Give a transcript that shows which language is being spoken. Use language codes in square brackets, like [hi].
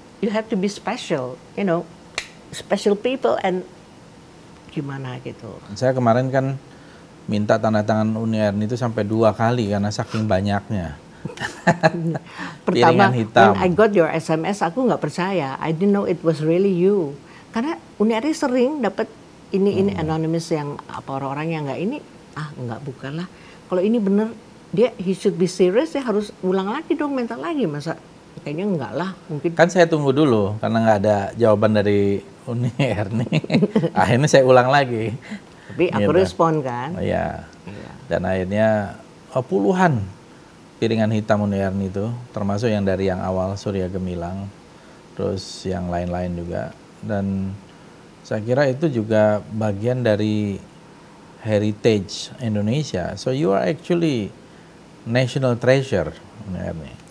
[en] You have to be special, you know, special people and [id] gimana gitu. Saya kemarin kan minta tanda tangan Uni Erni itu sampai dua kali karena saking banyaknya. Pertama, when I got your SMS, aku nggak percaya. I didn't know it was really you. Karena Uni Erni sering dapat ini anonymous yang apa orang-orang yang nggak ini, nggak bukanlah. Kalau ini bener, dia, [en] he should be serious, [id] ya harus ulang lagi dong, minta lagi, masa kayaknya enggak lah mungkin. Kan saya tunggu dulu, karena enggak ada jawaban dari Uni Erni, akhirnya saya ulang lagi. Tapi aku gitu, respon kan. Oh, iya, dan akhirnya puluhan piringan hitam Uni Erni itu, termasuk yang dari yang awal Surya Gemilang, terus yang lain-lain juga. Dan saya kira itu juga bagian dari heritage Indonesia. [en] So you are actually national treasure, Uni Erni.